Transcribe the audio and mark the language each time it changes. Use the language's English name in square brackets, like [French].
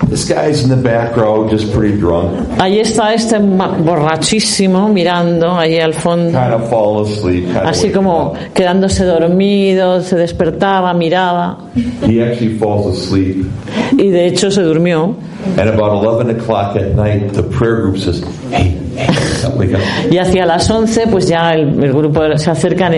[English] This guy's in the back row, just pretty drunk. [Spanish] Ahí está este borrachísimo mirando ahí al fondo. [English] Kind of fall asleep. [Spanish] Así como quedándose dormido, se despertaba, miraba. [English] He actually falls asleep. [Spanish] Y de hecho se durmió. [English] And about 11 o'clock at night, the prayer group says, "Hey." [Spanish] Y hacia las 11 pues ya el grupo se acerca.